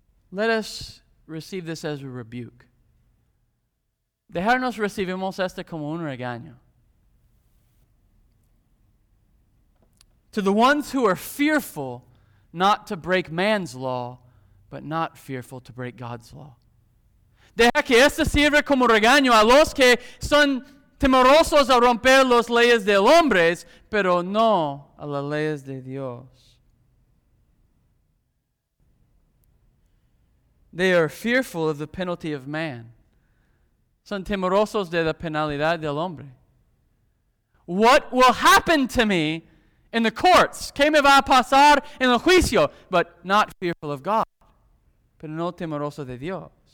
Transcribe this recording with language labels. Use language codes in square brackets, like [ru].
[en] Let us receive this as a rebuke. [es] Dejarnos recibimos este como un regaño. [en] To the ones who are fearful not to break man's law, but not fearful to break God's law. [es] Deja que esto sirva como regaño a los que son temerosos a romper las leyes del hombre, pero no a las leyes de Dios. [en] They are fearful of the penalty of man. [es] Son temerosos de la penalidad del hombre. [en] What will happen to me in the courts, [es] ¿qué me va a pasar en el juicio? [en] But not fearful of God, [es] pero no temeroso de Dios.